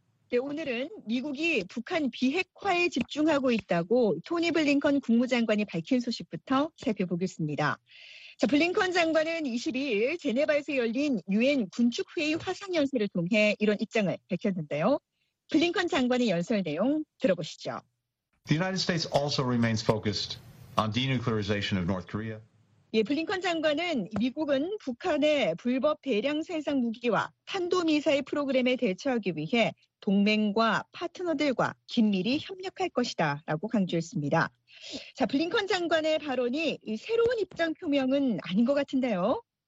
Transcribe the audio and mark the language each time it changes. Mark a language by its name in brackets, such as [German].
[Korean] 네, 오늘은 미국이 북한 비핵화에 집중하고 있다고 토니 블링컨 국무장관이 밝힌 소식부터 살펴보겠습니다. 자, 블링컨 장관은 22일 제네바에서 열린 유엔 군축회의 화상연설을 통해 이런 입장을 밝혔는데요. 블링컨 장관의 연설 내용 들어보시죠. [English] The United States also remains focused on denuclearization of North Korea. [Korean] 예, 블링컨 장관은 미국은 북한의 불법 대량 생산 무기와 탄도미사일 프로그램에 대처하기 위해 동맹과 파트너들과 긴밀히 협력할 것이다 라고 강조했습니다. 자, 블링컨 장관의 발언이 이 새로운 입장 표명은 아닌 것 같은데요.